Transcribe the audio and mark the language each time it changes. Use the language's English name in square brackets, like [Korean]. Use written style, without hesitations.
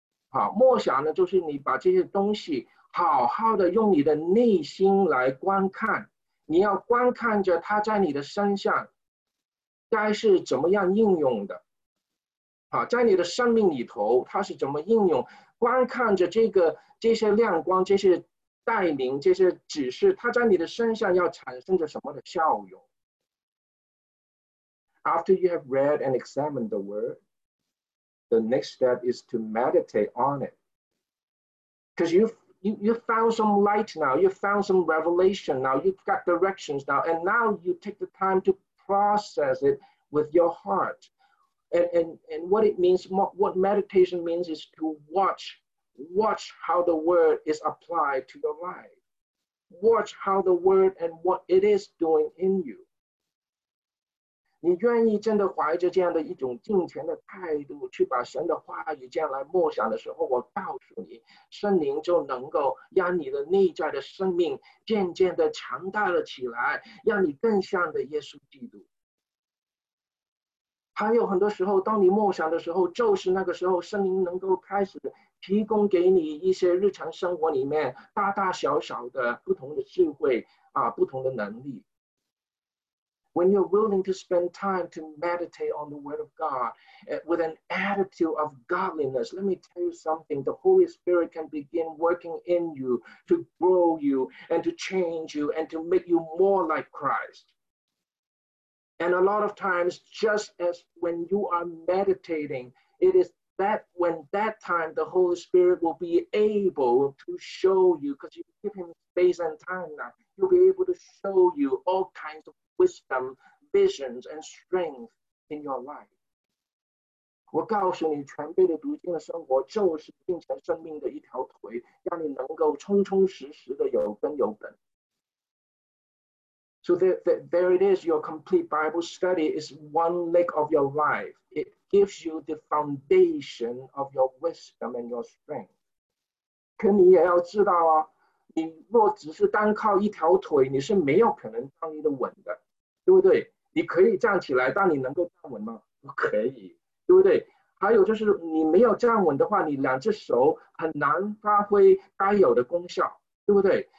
[Chinese] 啊、默想呢就是你把这些东西好好的用你的内心来观看，你要观看着它在你的身上该是怎么样应用的、啊、在你的生命里头它是怎么应用，观看着这个这些亮光，这些带领，这些指示，它在你的身上要产生着什么的效用。 [English] After you have read and examined the word, the next step is to meditate on it. Because you found some light now, you found some revelation now, you've got directions now, and now you take the time toprocess it with your heart. And what it means, what meditation means is to watch how the word is applied to your life. Watch how the word and what it is doing in you. [Chinese] 你愿意真的怀着这样的一种敬虔的态度去把神的话语这样来默想的时候，我告诉你，圣灵就能够让你的内在的生命渐渐的强大了起来，让你更像的耶稣基督。还有很多时候当你默想的时候，就是那个时候圣灵能够开始提供给你一些日常生活里面大大小小的不同的智慧啊，不同的能力。 [English] When you're willing to spend time to meditate on the word of God with an attitude of godliness, let me tell you something, the Holy Spirit can begin working in you to grow you and to change you and to make you more like Christ. And a lot of times, just as when you are meditating, it is that when that time the Holy Spirit will be able to show you, because you give him space and time now, he'll be able to show you all kinds ofwisdom, visions, and strength in your life. [Chinese] 我告诉你，全备的读经的生活就是敬虔生命的一条腿，让你能够充充实实的有根有本。 [English] So there it is, your complete Bible study is one leg of your life. It gives you the foundation of your wisdom and your strength. [Chinese] 可你也要知道啊，你若只是单靠一条腿，你是没有可能站立得稳的。对不对？你可以站起来，但你能够站稳吗？不可以，对不对？还有就是，你没有站稳的话，你两只手很难发挥该有的功效。对不对？